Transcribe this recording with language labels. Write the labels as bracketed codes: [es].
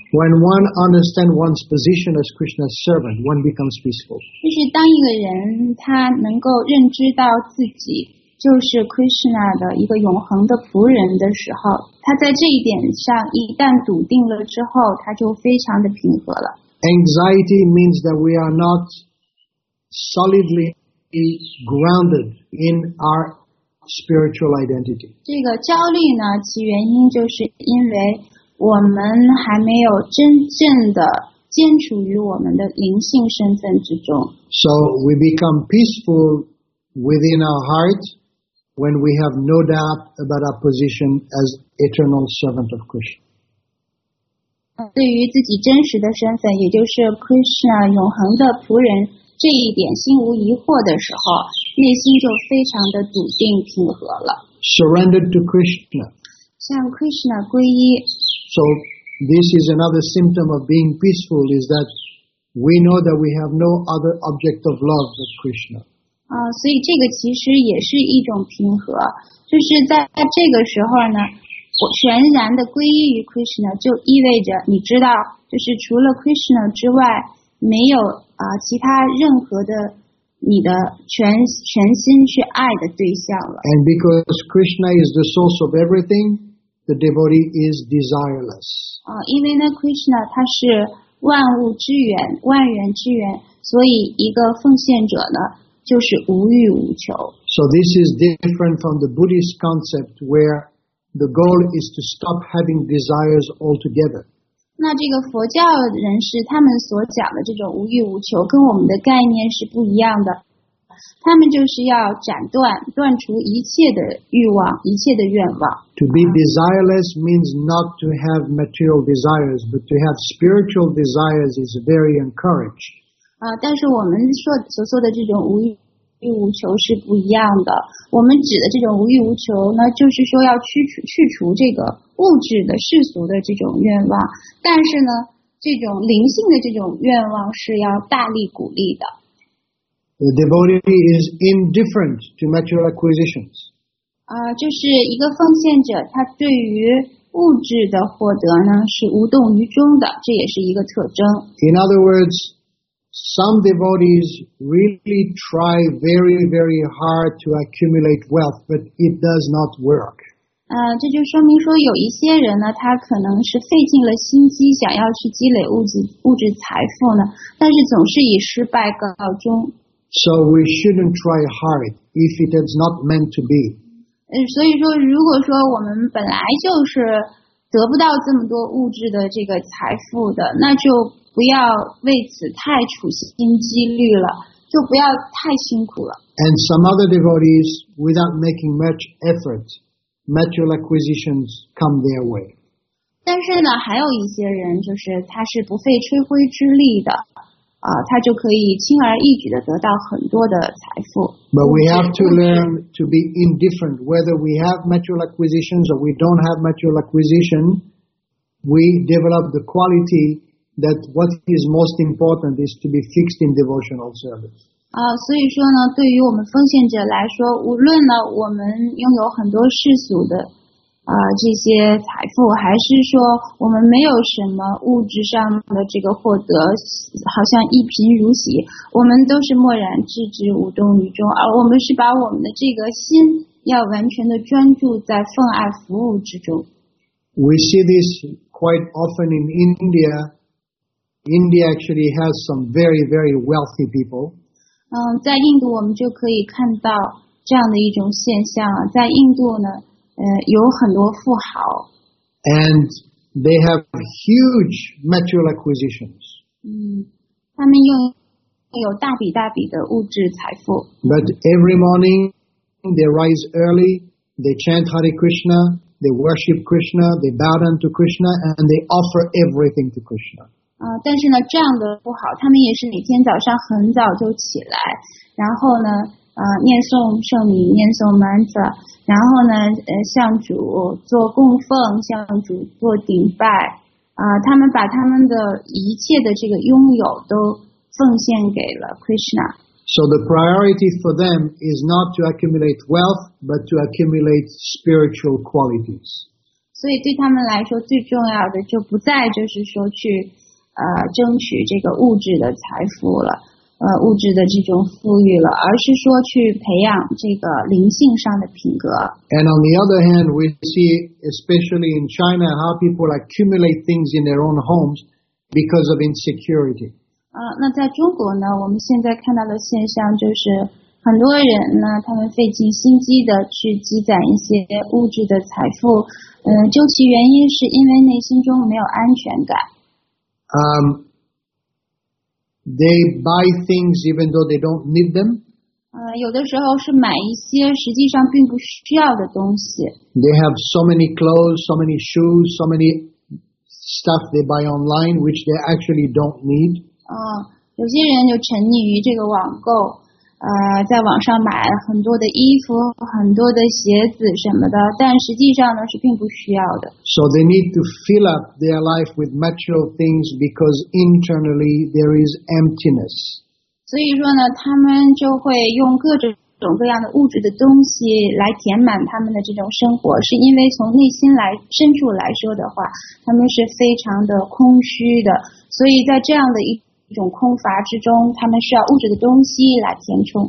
[en] When one understands one's position as Krishna's servant, one becomes peaceful. [zh] 就是当一个人他能够认知到自己就是 Krishna 的一个永恒的仆人的时候，他在这一点上一旦笃定了之后，他就非常的平和了。 [en] Anxiety means that we are not solidly grounded in our spiritual identity. [zh] 这个焦虑呢，其原因就是因为我们还没有真正的坚持于我们的灵性身份之中。 [en] So we become peaceful within our heart when we have no doubt about our position as eternal servant of Krishna. [zh] 对于自己真实的身份，也就是 Krishna 永恒的仆人，这一点心无疑惑的时候，内心就非常的笃定平和了。 [en] Surrendered to Krishna. [zh] 向 Krishna 皈依。 [en] So this is another symptom of being peaceful, is that we know that we have no other object of love but Krishna. [zh] 所以这个其实也是一种平和，就是在这个时候呢，我全然的皈依于 Krishna， 就意味着你知道，就是除了 Krishna 之外，没有其他任何的你的全心去爱的对象了。 [en] And because Krishna is the source of everything, the devotee is desireless. [zh] 因为呢 ，Krishna 他是万物之源，万缘之源，所以一个奉献者呢，就是无欲无求。 [en] So this is different from the Buddhist concept where the goal is to stop having desires altogether. [zh] 那这个佛教人士他们所讲的这种无欲无求跟我们的概念是不一样的。他们就是要断除一切的欲望，一切的愿望。 [en] To be desireless means not to have material desires, but to have spiritual desires is very encouraged. [zh] 但是我们所说的这种无欲无求是不一样的。我们指的这种无欲无求呢，就是说要去除这个物质的世俗的这种愿望，但是呢，这种灵性的这种愿望是要大力鼓励的。 [en] The devotee is indifferent to material acquisitions. [zh] 就是一个奉献者，他对于物质的获得呢是无动于衷的，这也是一个特征。 [en] In other words,Some devotees really try very, very hard to accumulate wealth, but it does not work. [zh] 这就说明说有一些人呢，他可能是费尽了心机想要去积累物质财富呢，但是总是以失败告终。 [en] So we shouldn't try hard if it is not meant to be. [zh] 所以说，如果说我们本来就是得不到这么多物质的这个财富的，那就不要为此太处心积虑了，就不要太辛苦了。 [en] And some other devotees, without making much effort, material acquisitions come their way. [zh] 但是呢，还有一些人就是他是不费吹灰之力的，他就可以轻而易举的得到很多的财富。 [en] But we have to learn to be indifferent whether we have material acquisitions or we don't have material acquisition. We develop the quality that what is most important is to be fixed in devotional service. [zh] 所以说呢，对于我们奉献者来说，无论呢我们拥有很多世俗的这些财富，还是说我们没有什么物质上的这个获得，好像一贫如洗，我们都是默然置之，无动于衷，而我们是把我们的这个心要完全的专注在奉爱服务之中。 [en] We see this quite often in India. India actually has some very, very wealthy people. [zh] 在印度我们就可以看到这样的一种现象，在印度呢有很多富豪。 [en] And they have huge material acquisitions. [zh] 他们拥有大笔大笔的物质财富。 [en] But every morning, they rise early, they chant Hare Krishna, they worship Krishna, they bow down to Krishna, and they offer everything to Krishna. [zh] 但是呢，这样的富豪，他们也是每天早上很早就起来，然后呢念诵圣名，念诵 mantra， 然后呢，向主做供奉，向主做顶拜，他们把他们的一切的这个拥有都奉献给了 Krishna。 [en] So the priority for them is not to accumulate wealth, but to accumulate spiritual qualities. [zh] 所以对他们来说，最重要的就不再就是说去争取这个物质的财富了。物质的这种富裕了，而是说去培养这个灵性上的品格。 [en] And on the other hand, we see, especially in China, how people accumulate things in their own homes because of insecurity. [zh] 那在中国呢，我们现在看到的现象就是，很多人呢，他们费尽心机的去积攒一些物质的财富，究其原因是因为内心中没有安全感。 [en] They buy things even though they don't need them. [zh] 有的时候是买一些实际上并不需要的东西。 [en] They have so many clothes, so many shoes, so many stuff they buy online, which they actually don't need. [zh] 有些人就沉溺于这个网购，在网上买很多的衣服、很多的鞋子什么的，但实际上呢是并不需要的。 [en] So they need to fill up their life with material things because internally there is emptiness. [zh] 所以说呢，他们就会用各种各样的物质的东西来填满他们的这种生活，是因为从内心来深处来说的话，他们是非常的空虚的。所以在这样的一种空乏之中，他们需要物质的东西来填充。